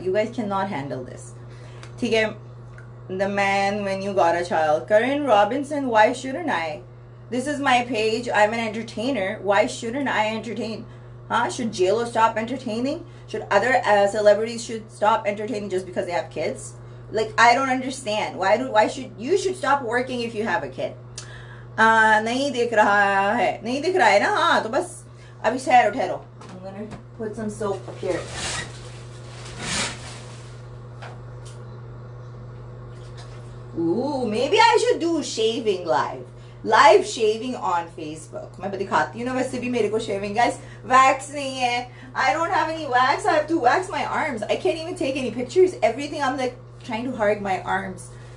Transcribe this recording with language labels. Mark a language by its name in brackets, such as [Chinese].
[English] you guys can not handle this, [Hindi] ठीक है। [English] The man when you got a child, Karen Robinson, why shouldn't I, this is my page, I am an entertainer, why shouldn't I entertain? हाँ, should JLo stop entertaining? Should other celebrities should stop entertaining just because they have kids? Like, I don't understand. Why should you stop working if you have a kid? [Hindi] नहीं दिख रहा है, नहीं दिख रहा है ना, हाँ तो बस अभी ठहरो ठहरो, [English] I'm gonna put some soap up here. Ooh, maybe I should do shaving live. Live shaving on Facebook. [Hindi] मैं दिखाती हूँ ना, वैसे भी मेरे को shaving, guys, wax नहीं है. [English] I don't have any wax. I have to wax my arms. I can't even take any pictures. Everything, I'm like, trying to hug my arms.